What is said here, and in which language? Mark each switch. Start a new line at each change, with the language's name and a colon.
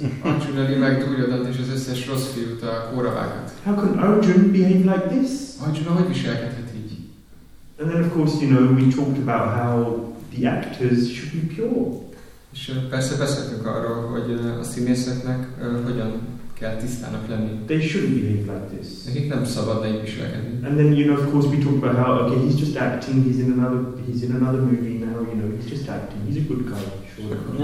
Hungarian: Arjun eli meg Duryodhant és az összes rossz fiút, a Kauravákat.
English: How can Arjun behave like this?
Hungarian: Arjun hogy viselkedhet így?
English: And then of course, you know, we talked about how the actors should be pure.
Hungarian: És persze beszéltünk arról, hogy a színészeknek hogyan kell tisztának lenni.
English: They shouldn't behave like this.
Hungarian: Nekik nem szabad így viselkedni.
English: And then, you know, of course, we talk about how, okay, he's just acting, he's in another movie now, you know, he's just acting, he's a good guy, sure.